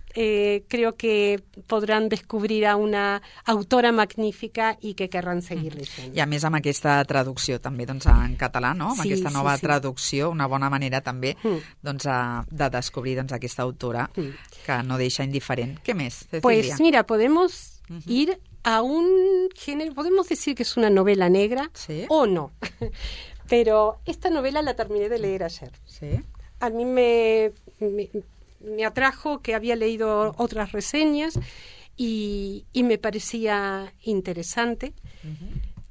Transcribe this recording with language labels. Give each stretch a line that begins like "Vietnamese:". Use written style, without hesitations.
Spanish: Creo que podrán descubrir a una autora magnífica y que querrán seguir leyendo.
Catalan: I a més amb aquesta traducció també, doncs, en català, no? Amb, sí, aquesta nova, sí, sí, traducció, una bona manera també, doncs, de descobrir, doncs, aquesta autora, que no deixa indiferent. Què més, Cecília?
Spanish: Pues mira, podemos ir a un género, podemos decir que es una novela negra, sí, o no. Pero esta novela la terminé de leer ayer. Sí. A mí me atrajo que había leído otras reseñas y me parecía interesante. Uh-huh.